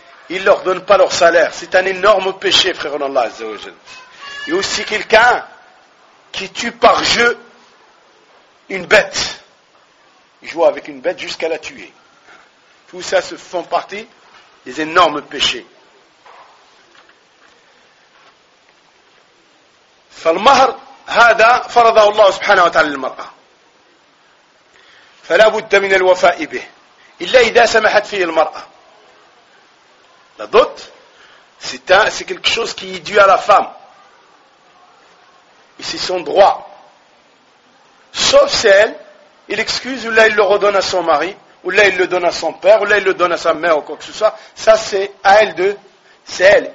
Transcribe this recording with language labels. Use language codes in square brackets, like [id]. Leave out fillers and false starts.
[fr] Il ne leur donne pas leur salaire. C'est un énorme péché, frère en Allah, Azza wa Jal. Et aussi, quelqu'un qui tue par jeu une bête. Il joue avec une bête jusqu'à la tuer. Tout ça se font partie des énormes péchés. [ar] فالمهر هذا فرضه الله سبحانه وتعالى للمرأة فلا بد من الوفاء به إلا إذا سمحت فيه المرأة. [fr] La dot, c'est quelque chose qui est dû à la femme. Et c'est son droit. Sauf si elle, il excuse ou là il le redonne à son mari. Ou là, il le donne à son père, ou là, il le donne à sa mère, ou quoi que ce soit. Ça, c'est à elle de C'est elle.